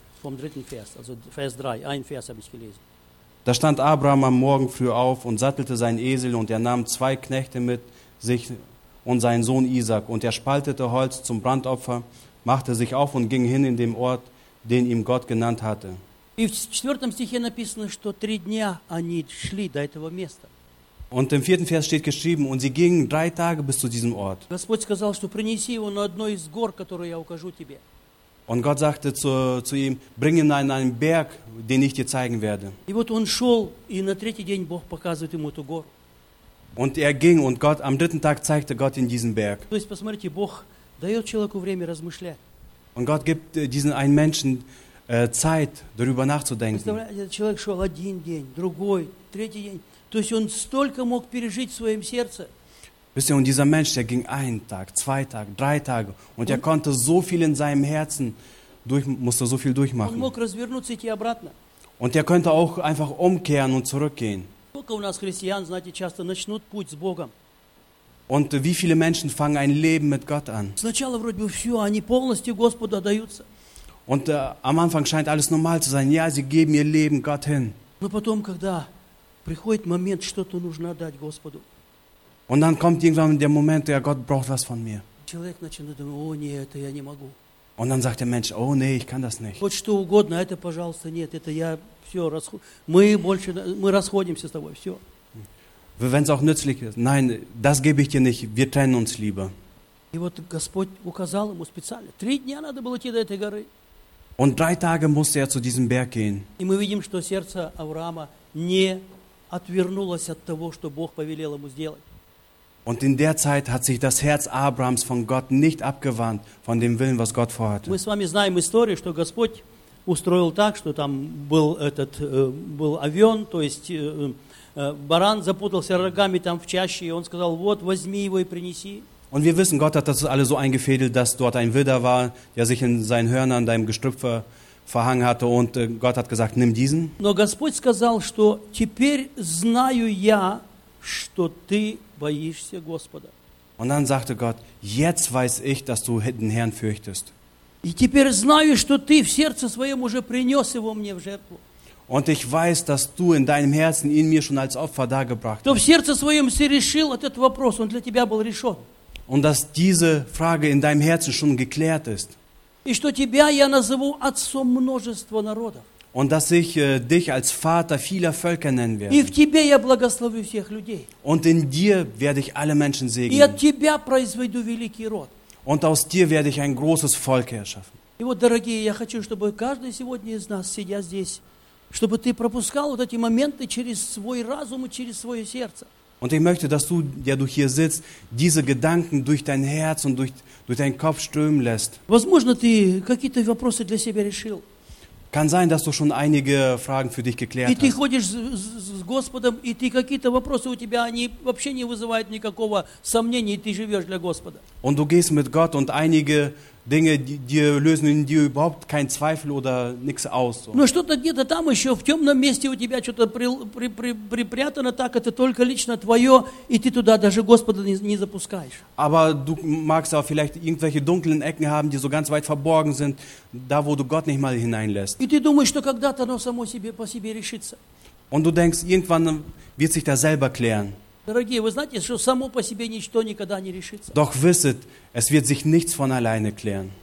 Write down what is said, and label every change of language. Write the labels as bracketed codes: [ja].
[de] Vom dritten Vers, also Vers 3, ein Vers habe ich gelesen. Da stand Abraham am Morgen früh auf und sattelte seinen Esel und er nahm zwei Knechte mit sich und seinen Sohn Isaac und er spaltete Holz zum Brandopfer, machte sich auf und ging hin in den Ort, den ihm Gott genannt hatte. [ru] И в 4. Стихе написано, что 3 дня они шли до этого места. [de] Und im 4. Vers steht geschrieben, und sie gingen 3 Tage bis zu diesem Ort. [ru] Господь сказал, что принеси его на одной из гор, которую я укажу тебе. [de] Und Gott sagte zu ihm, bring ihn an einen Berg, den ich dir zeigen werde. [ru] И вот он шел, и на третий день Бог показывает ему эту гору. [de] Und er ging, und Gott, am dritten Tag zeigte Gott ihm diesen Berg. [ru] То есть, посмотрите, Бог дает человеку время размышлять. [de] Und Gott gibt diesen einen Menschen Zeit, darüber nachzudenken. [ru] Представляете, человек шел один день, другой, третий день. То есть он столько мог пережить в своем сердце. [de] Wisst ihr, und dieser Mensch, der ging einen Tag, zwei Tage, drei Tage, und er konnte so viel in seinem Herzen musste so viel durchmachen. [ru] Он мог развернуться и идти обратно. [de] Und er könnte auch einfach umkehren und zurückgehen. [ru] Сколько у нас христиан, знаете, часто начнут путь с Богом. [de] Und wie viele Menschen fangen ein Leben mit Gott an? [ru] Сначала вроде бы все, они полностью Господу отдаются. [de] Und am Anfang scheint alles normal zu sein. Ja, sie geben ihr Leben Gott hin. [ru] Но потом, когда приходит момент, что-то нужно отдать Господу. [de] Und dann kommt irgendwann der Moment, ja, Gott braucht was von mir. [ru] Человек начинает думать, о, нет, это я не могу. [de] Und dann sagt der Mensch, oh, nee, ich kann das nicht. [ru] Хоть что угодно, это, пожалуйста, нет, это я, все, мы расходимся с тобой, все. [de] Wenn es auch nützlich ist, nein, das gebe ich dir nicht, wir trennen uns lieber. [ru] И вот Господь указал ему специально, 3 дня надо было идти до этой горы. [de] Und 3 Tage musste er zu diesem Berg gehen. [ru] И мы видим, что сердце Авраама не отвернулось от того, что Бог повелел ему сделать. [de] Und in der Zeit hat sich das Herz Abrahams von Gott nicht abgewandt, von dem Willen, was Gott vorhatte. [ru] Мы с вами знаем историю, что Господь устроил так, что там был этот был овен, то есть баран запутался рогами там в чаще, и он сказал, вот, возьми его и принеси. [de] Und wir wissen, Gott hat das alles so eingefädelt, dass dort ein Widder war, der sich in seinen Hörnern, deinem Gestrüpp verhangen hatte und Gott hat gesagt, nimm diesen. [ru] Но Господь сказал, что теперь знаю я, что ты боишься Господа. [de] Und dann sagte Gott, jetzt weiß ich, dass du den Herrn fürchtest. [ru] И теперь знаю, что ты в сердце своем уже принес его мне в жертву. [de] Und ich weiß, dass du in deinem Herzen ihn mir schon als Opfer dargebracht hast. [ru] Ты в сердце своем решил этот вопрос, он для тебя был решен. [de] Und dass diese Frage in deinem Herzen schon geklärt ist. [ru] И что тебя я назову отцом множества народов. [de] Und dass ich dich als Vater vieler Völker nennen werde. [ru] И в тебе я благословлю всех людей. [de] Und in dir werde ich alle Menschen segnen. [ru] И от тебя произведу великий род. [de] Und aus dir werde ich ein großes Volk erschaffen. [ru] И вот, дорогие, я хочу, чтобы каждый сегодня из нас, сидя здесь, чтобы ты пропускал вот эти моменты через свой разум и через свое сердце. [de] Und ich möchte, dass du, der du hier sitzt, diese Gedanken durch dein Herz und durch deinen Kopf strömen lässt. [ru] Возможно, ты какие-то вопросы для себя решил. [de] Kann sein, dass du schon einige Fragen für dich geklärt hast. [ru] И ты ходишь с Господом, и ты какие-то вопросы у тебя, они вообще не вызывают никакого сомнения, и ты живешь для Господа. [de] Und du gehst mit Gott und einige Dinge, die lösen in dir überhaupt keinen Zweifel oder nichts aus. [ru] Но что-то где-то там еще в темном месте у тебя что-то припрятано, так это только лично твое, и ты туда даже Господа не запускаешь. [de] Aber du magst auch vielleicht irgendwelche dunklen Ecken haben, die so ganz weit verborgen sind, da wo du Gott nicht mal hineinlässt. [ru] И ты думаешь, что когда-то оно само себе по себе решится. [de] Und du denkst, irgendwann wird sich das selber klären. [ru] Дорогие, вы знаете, что само по себе ничто никогда не решится. [de] Doch wisset, es wird sich nichts von alleine klären.